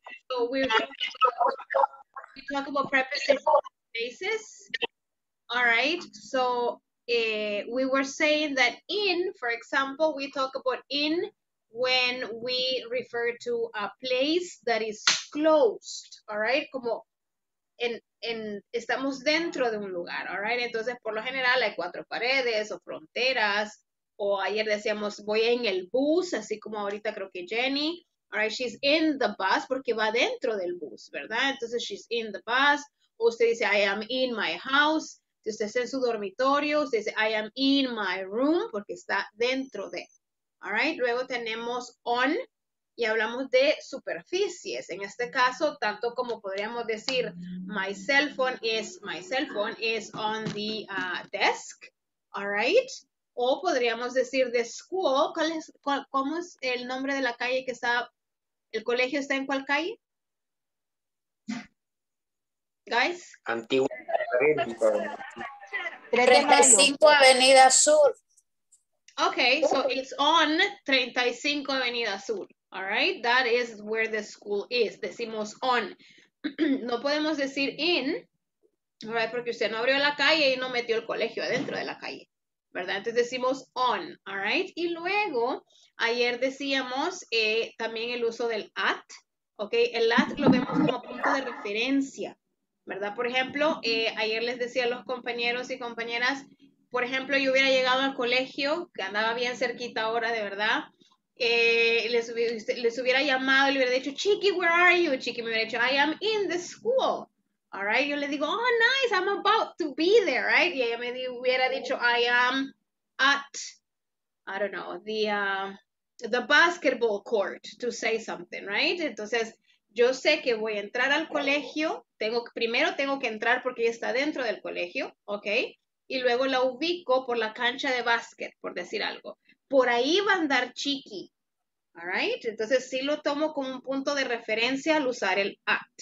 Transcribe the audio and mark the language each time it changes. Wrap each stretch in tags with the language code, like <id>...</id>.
<en>So we talk about prepositions of places. All right, so we were saying that in, for example, we talk about in when we refer to a place that is closed, all right?</en> <es>Como en estamos dentro de un lugar, all right? Entonces, por lo general, hay cuatro paredes o fronteras, o ayer decíamos, voy en el bus, así como ahorita creo que Jenny, all right?</es> <en>She's in the bus</en> <es>porque va dentro del bus, ¿verdad? Entonces,</es> <en>she's in the bus.</en> <es>O usted dice,</es> <en>I am in my house.</en> <es>Si usted está en su dormitorio, usted dice,</es> <en>I am in my room,</en> <es>porque está dentro de. All right? Luego tenemos on, y hablamos de superficies. En este caso, tanto como podríamos decir,</es> <en>my cell phone is on the desk. All right?</en> <es>O podríamos decir,</es> <en>the school,</en> <es>¿cómo es el nombre de la calle que está, el colegio está en cuál calle?</es> <en>Guys?</en> <es>Antiguo. 35 Avenida Sur.</es> <en>Okay, so it's on 35 Avenida Sur. All right, that is where the school is.</en> <es>Decimos on. No podemos decir in, all right, porque usted no abrió la calle y no metió el colegio adentro de la calle, ¿verdad? Entonces decimos on, all right. Y luego, ayer decíamos también el uso del at, okay. El at lo vemos como punto de referencia, ¿verdad? Por ejemplo, ayer les decía a los compañeros y compañeras, por ejemplo, yo hubiera llegado al colegio, que andaba bien cerquita ahora, de verdad, les hubiera llamado y le hubiera dicho, Chiqui,</es> <en>where are you? Chiqui</en> <es>me hubiera dicho,</es> <en>I am in the school. All right,</en> <es>yo le digo,</es> <en>oh, nice, I'm about to be there, right?</en> <es>Y ella me hubiera dicho,</es> <en>I am at, I don't know, the basketball court, to say something, right?</en> <es>Entonces, yo sé que voy a entrar al colegio, primero tengo que entrar porque ella está dentro del colegio, ¿ok? y luego la ubico por la cancha de básquet, por decir algo. Por ahí va a andar Chiqui. All right? Entonces sí lo tomo como un punto de referencia al usar el at.</es>